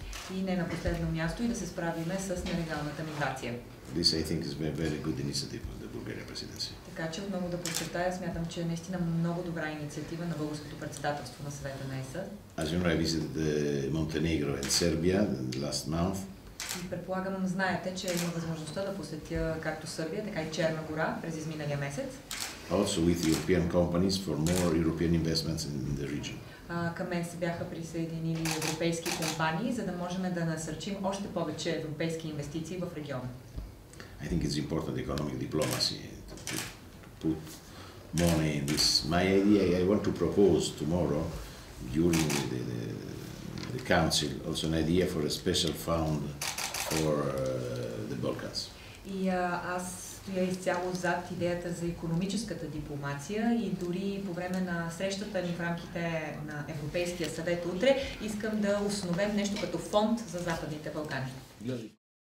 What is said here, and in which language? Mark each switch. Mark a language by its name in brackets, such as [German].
[Bulgarian] И не на последно място и да се справиме с нелегалната миграция. [English] This I think is a very good initiative of the Bulgarian presidency. [Bulgarian] Така че отново да подчертая, смятам, че е наистина много добра инициатива на българското председателство на съвета на ЕС. [English] As you know, I visited Montenegro and Serbia last month. [Bulgarian] И предполагам, знаете, че има възможността да посетя както Сърбия, така и Черна гора през изминалия месец. [English] Also with European companies for more European investments in the region. [Bulgarian] Към мен се бяха присъединили европейски компании, за да можем да насърчим още повече европейски инвестиции в региона. [English] I think it's important economic diplomacy to put money in this. My idea, I want to propose tomorrow during the council also an idea for a special fund for the Balkans. [Bulgarian] И аз стоя изцяло зад идеята за икономическата дипломация и дори по време на срещата ни в рамките на Европейския съвет утре искам да основем нещо като фонд за Западните Балкани.